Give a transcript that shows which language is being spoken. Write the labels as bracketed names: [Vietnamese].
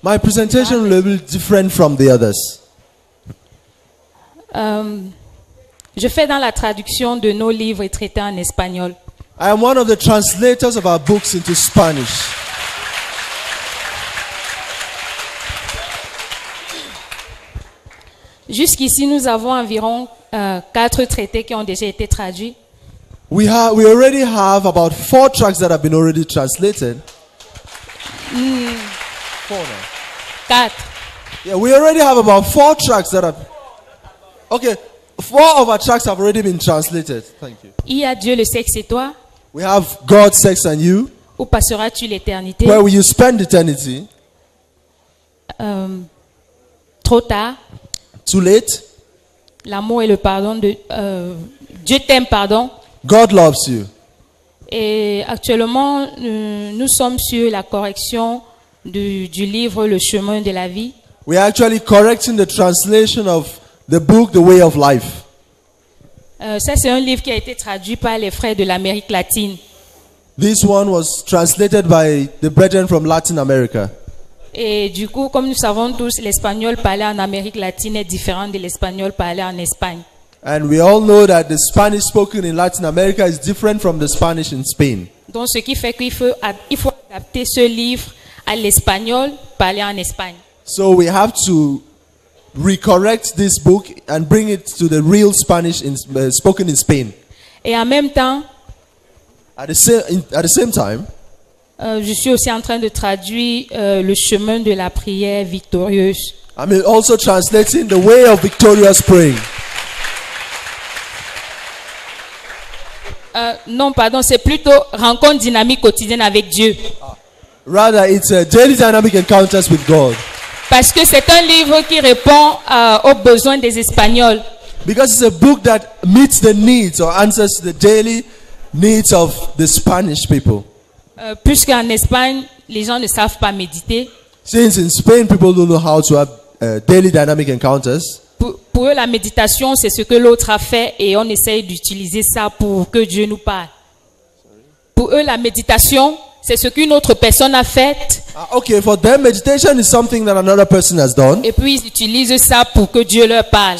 [English] My presentation will be different from the others. [French] Je fais dans la traduction de nos livres et traités en espagnol. [English] I am one of the translators of our books into Spanish. [French] Jusqu'ici, nous avons environ 4 traités qui ont déjà été traduits. [English] We already have about 4 tracts that have been already translated. 4. Yeah, we already have about 4 tracts that have. Okay, 4 of our tracts have already been translated. Thank you. [French] Il y a Dieu, le sexe et toi. [English] We have God, sex and you. [French] Où passeras-tu l'éternité? [English] Where will you spend eternity? [French] Trop tard. [English] Too late. [French] L'amour et le pardon de Dieu t'aime, pardon. [English] God loves you. [French] Et actuellement, nous sommes sur la correction du livre Le Chemin de la Vie. [English] We are actually correcting the translation of the book The Way of Life. [French] Ça, c'est un livre qui a été traduit par les frères de l'Amérique latine. [English] This one was translated by the brethren from Latin America. [French] Et du coup, comme nous savons tous, l'espagnol parlé en Amérique latine est différent de l'espagnol parlé en Espagne. [English] And we all know that the Spanish spoken in Latin America is different from the Spanish in Spain. [French] Donc ce qui fait qu'il faut adapter ce livre à l'espagnol parlé en Espagne. [English] So we have to recorrect this book and bring it to the real Spanish spoken in Spain. [French] Et en même temps, [English] at the same time, [French] je suis aussi en train de traduire le chemin de la prière victorieuse. [English] I'm also translating the way of victorious praying. [French] Non, pardon, c'est plutôt rencontre dynamique quotidienne avec Dieu. [English] Rather, it's a daily dynamic encounters with God. [French] Parce que c'est un livre qui répond aux besoins des Espagnols. [English] Because it's a book that meets the needs or answers the daily needs of the Spanish people. [French] Puisqu'en Espagne, les gens ne savent pas méditer. [English] Since in Spain, people don't know how to have daily dynamic encounters. [French] Pour eux, la méditation, c'est ce que l'autre a fait et on essaye d'utiliser ça pour que Dieu nous parle. Pour eux, la méditation, c'est ce qu'une autre personne a fait. [English] Okay, for them, meditation is something that another person has done. [French] Et puis, ils utilisent ça pour que Dieu leur parle.